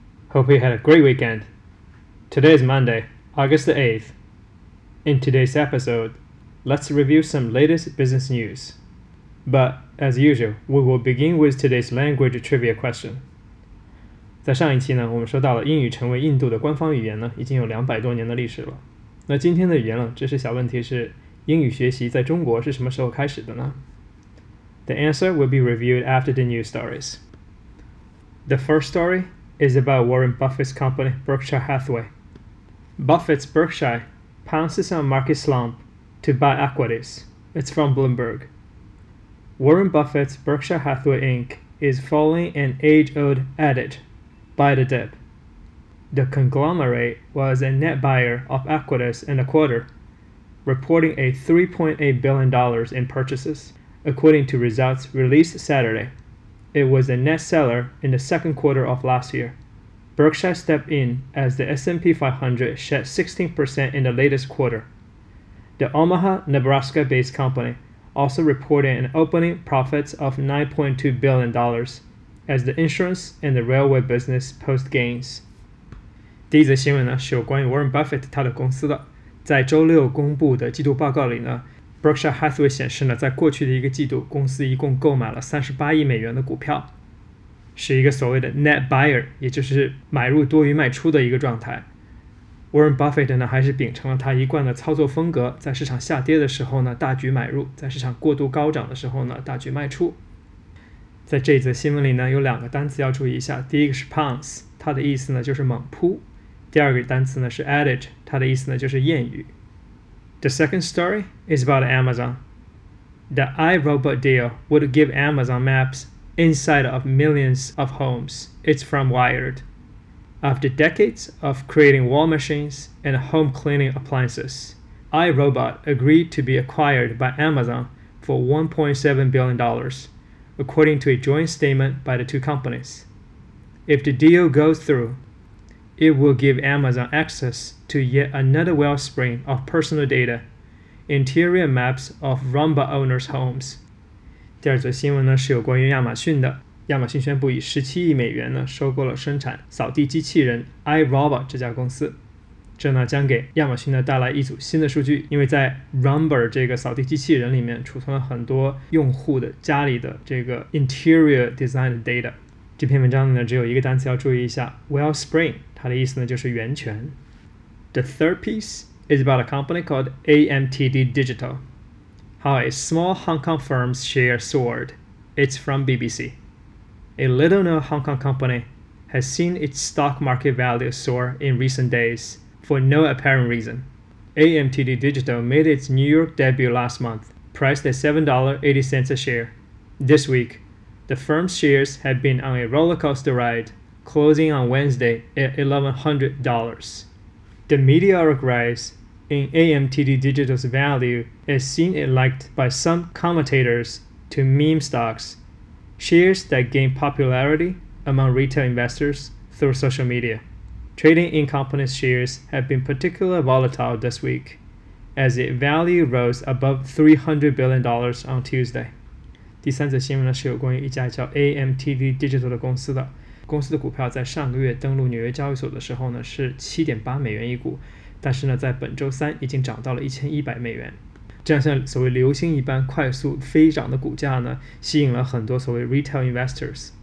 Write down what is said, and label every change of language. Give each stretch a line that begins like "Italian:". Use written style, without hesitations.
English: Hope you had a great weekend. Today is Monday, August the 8th. In today's episode, let's review some latest business news. But as usual, we will begin with today's language trivia question.
Chinese: 在上一期呢，我们说到了英语成为印度的官方语言呢，已经有200多年的历史了。那今天的语言呢，知识小问题是英语学习在中国是什么时候开始的呢？
English: The answer will be revealed after the news stories. The first story is about Warren Buffett's company, Berkshire Hathaway. Buffett's Berkshire pounces on market slump to buy equities. It's from Bloomberg. Warren Buffett's Berkshire Hathaway Inc. is following an age-old adage, buy the dip. The conglomerate was a net buyer of equities in the quarter,reporting a $3.8 billion in purchases. According to results released Saturday, it was a net seller in the second quarter of last year. Berkshire stepped in as the S&P 500 shed 16% in the latest quarter. The Omaha, Nebraska-based company also reported an opening profits of $9.2 billion as the insurance and the railway business post gains.
Chinese: 第一则新闻呢，是有关于 Warren Buffett 他的公司的。在周六公布的季度报告里呢 ，Berkshire Hathaway 显示呢，在过去的一个季度，公司一共购买了38亿美元的股票，是一个所谓的 net buyer， 也就是买入多于卖出的一个状态。 Warren Buffett 呢，还是秉承了他一贯的操作风格，在市场下跌的时候呢，大举买入；在市场过度高涨的时候呢，大举卖出。在这一则新闻里呢，有两个单词要注意一下，第一个是 pounce， 它的意思呢就是猛扑。第二个单词呢是 adage， 它的意思呢就是谚语。
English: The second story is about Amazon. The iRobot deal would give Amazon maps inside of millions of homes. It's from Wired. After decades of creating wall machines and home cleaning appliances, iRobot agreed to be acquired by Amazon for $1.7 billion, according to a joint statement by the two companies. If the deal goes through,It will give Amazon access to yet another wellspring of personal data, interior maps of Roomba owners' homes.
Chinese: 第二则新闻呢是有关于亚马逊的。亚马逊宣布以$17亿呢收购了生产扫地机器人 iRobot 这家公司。这呢将给亚马逊呢带来一组新的数据，因为在 Roomba 这个扫地机器人里面储存了很多用户的家里的这个
English: interior design data。
Chinese: 这篇文章呢只有一个单词要注意一下 ,wellspring, 它的意思呢就是源泉。
English: The third piece is about a company called AMTD Digital. How a small Hong Kong firm's share soared. It's from BBC. A little known Hong Kong company has seen its stock market value soar in recent days for no apparent reason. AMTD Digital made its New York debut last month, priced at $7.80 a share. This week,The firm's shares had been on a rollercoaster ride, closing on Wednesday at $1,100. The meteoric rise in AMTD Digital's value has seen it liked by some commentators to meme stocks, shares that gain popularity among retail investors through social media. Trading in company's shares have been particularly volatile this week, as its value rose above $300 billion on Tuesday.
Chinese: 第三则新闻呢是有关于一家叫 AMTD Digital 的公司的。公司的股票在上个月登陆纽约交易所的时候呢是$7.8一股，但是呢在本周三已经涨到了$1,100。这样像所谓流星一般快速飞涨的股价呢，吸引了很多所谓 retail investors。